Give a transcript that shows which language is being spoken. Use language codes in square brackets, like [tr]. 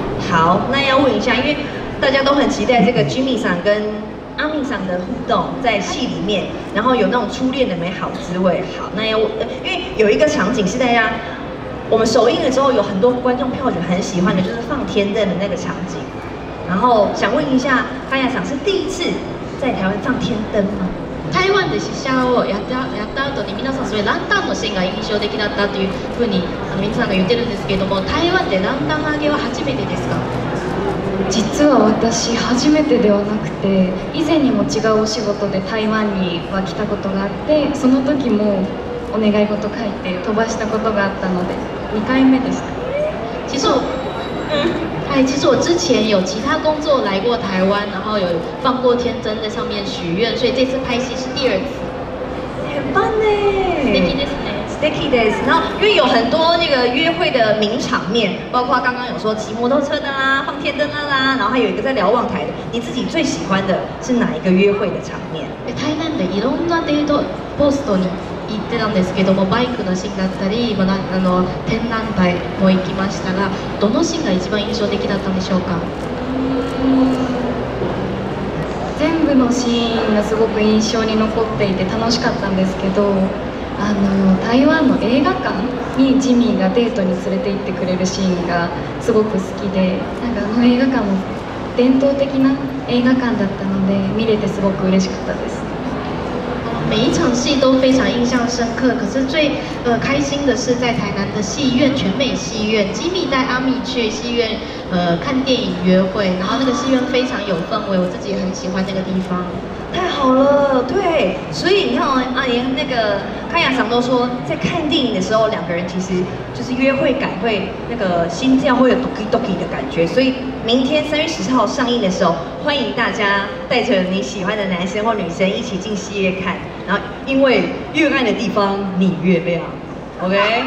[zh] 好，那要问一下，因为大家都很期待这个 Jimmy 桑跟阿米桑的互动在戏里面，然后有那种初恋的美好滋味。好，那要因为有一个场景是大家我们首映的时候有很多观众票选很喜欢的，就是放天灯的那个场景。然后想问一下，康亚桑是第一次在台湾放天灯吗？ [ja] 台湾で試写をやった後に皆さんそれランタンのシーンが印象的だったというふうに皆さんが言ってるんですけれども、台湾でランタン上げは初めてですか？実は私初めてではなくて、以前にも違うお仕事で台湾には来たことがあって、その時もお願い事書いて飛ばしたことがあったので2回目でした。 [zh] 其实我之前有其他工作来过台湾，然后有放过天灯在上面许愿，所以这次拍戏是第二次。很棒呢 [en] ，sticky days， sticky days。 [zh] 然后因为有很多那个约会的名场面，包括刚刚有说骑摩托车的啦，放天灯的啦，然后还有一个在瞭望台的。你自己最喜欢的是哪一个约会的场面？ [ja] 台湾でいろんなデートポストに行ってたんですけども、バイクのシーンだったり、まだ展覧会も行きましたが、どのシーンが一番印象的だったんでしょうか？全部のシーンがすごく印象に残っていて楽しかったんですけど、台湾の映画館にジミーがデートに連れて行ってくれるシーンがすごく好きで、なんかあの映画館も伝統的な映画館だったので見れてすごく嬉しかったです。 [zh] 每一场戏都非常印象深刻，可是最开心的是在台南的戏院，全美戏院，吉米带阿米去戏院看电影约会，然后那个戏院非常有氛围，我自己很喜欢那个地方。太好了，对，所以你看哦，阿连那个康雅祥都说，在看电影的时候，两个人其实就是约会感会那个心跳会有 doki doki 的感觉，所以明天3月14号上映的时候，欢迎大家带着你喜欢的男生或女生一起进戏院看，然后因为越暗的地方你越亮 ，OK？